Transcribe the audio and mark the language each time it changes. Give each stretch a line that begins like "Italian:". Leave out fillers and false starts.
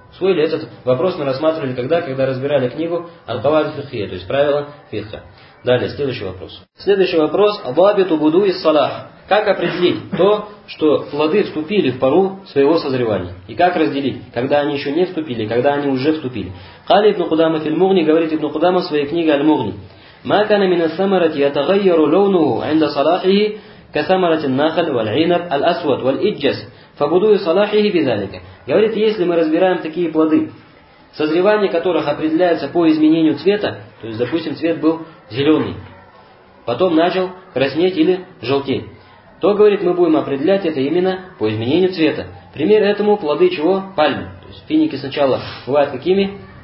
Russian: Усвоили этот вопрос, мы рассматривали когда разбирали книгу «Аль-Кавааид аль-Фикхия», то есть «Правила фикха». Далее, следующий вопрос. Следующий вопрос.
Arabic: «Вабиту буду из салах».
Russian: Как определить то, что плоды вступили в пору своего созревания? И как разделить, когда они еще не вступили, когда они уже вступили?
Arabic: «Кали ибн Кудама фильмугни»,
Russian: говорит ибн Кудама в своей книге «Аль-Мугни».
Arabic: ما كان من الثمرة يتغير لونه عند صلاحه كثمرة النخل والعنب الأسود والإجس فبدو صلاحه بذلك.
Russian: Говорит, если мы разбираем такие плоды, созревание которых определяется по изменению цвета, то есть, допустим, цвет был зеленый, потом начал краснеть или желтеть, то, говорит, мы будем определять это именно по изменению цвета. Пример этому плоды чего? Пальмы. То есть финики сначала бывают какими?